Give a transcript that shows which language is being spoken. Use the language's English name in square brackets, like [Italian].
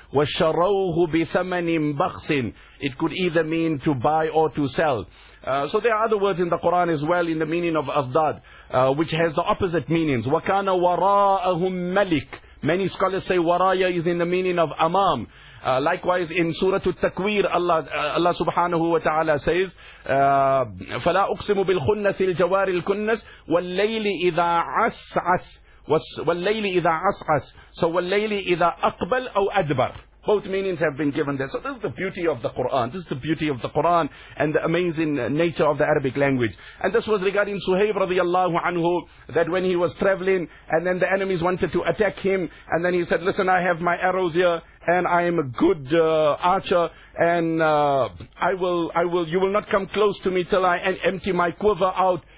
[Arabic] وَشَرَوْهُ بِثَمَنٍ بَخْسٍ. [English] It could either mean to buy or to sell. So there are other words in the Quran as well in the meaning of afdad, which has the opposite meanings. [Arabic] وَكَانَ وَرَاءَهُمْ مَلِكٍ. [English] Many scholars say waraya is in the meaning of amam. Likewise in Surah Al-Takwir, Allah subhanahu wa ta'ala says, [Arabic] فَلَا أُقْسِمُ بِالْخُنَّسِ الْجَوَارِ الْكُنَّسِ وَالْلَيْلِ إِذَا عَسْعَسْ وَالْلَيْلِ إِذَا عَسْعَسْ. So وَالْلَيْلِ إِذَا أَقْبَلْ أَوْ أَدْبَرْ. [English] Both meanings have been given there. So this is the beauty of the Quran. This is the beauty of the Quran and the amazing nature of the Arabic language. And this was regarding Suhaib radiallahu anhu, that when he was traveling and then the enemies wanted to attack him, and then he said, listen, I have my arrows here and I am a good archer, and you will not come close to me till I empty my quiver out.